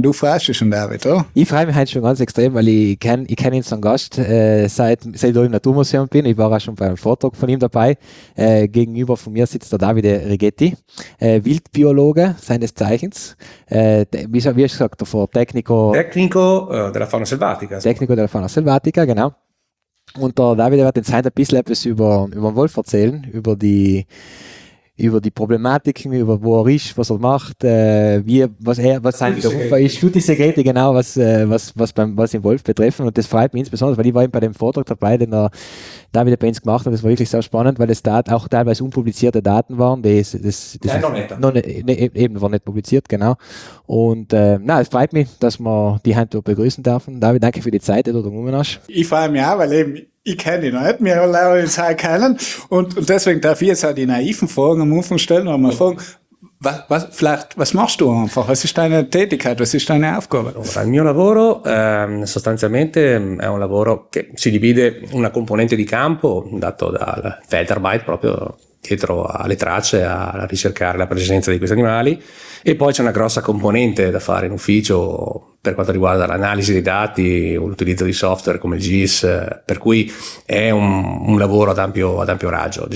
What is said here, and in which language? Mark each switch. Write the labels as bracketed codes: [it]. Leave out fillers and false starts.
[de] Du freust dich schon, David, oder? Ich freue mich heute schon ganz extrem, weil ich kenne ihn so einen Gast, seit ich im Naturmuseum bin. Ich war auch schon bei einem Vortrag von ihm dabei. Gegenüber von mir sitzt der Davide Righetti, Wildbiologe seines Zeichens. Wie hast du gesagt davor? [it] Tecnico della Fauna Selvatica. Tecnico della Fauna Selvatica, genau. [de] Und der Davide wird uns heute ein bisschen etwas über den Wolf erzählen, über die Problematiken, über wo er ist, was er macht, was den Wolf betreffen. Und das freut mich insbesondere, weil ich war eben bei dem Vortrag dabei, den er da wieder bei uns gemacht hat. Das war wirklich sehr spannend, weil es da auch teilweise unpublizierte Daten waren. Das war noch nicht publiziert. Und es freut mich, dass wir die Hand begrüßen dürfen. David, danke für die Zeit, die du da genommen hast. Ich freue mich auch, weil eben ich kenne ihn noch nicht, wir lernen uns heute kennen. Und deswegen darf ich jetzt auch die naiven Fragen am Anfang stellen, aber mal fragen, was machst du einfach? Was ist deine Tätigkeit? Was ist deine Aufgabe? [it] Allora, il mio lavoro sostanzialmente è un lavoro che si divide una componente di campo, dato dal Feldarbeit, proprio dietro alle tracce, a ricercare la presenza di questi animali, e poi c'è una grossa componente da fare in ufficio per quanto riguarda l'analisi dei dati o l'utilizzo di software come il GIS, per cui è un lavoro ad ampio raggio.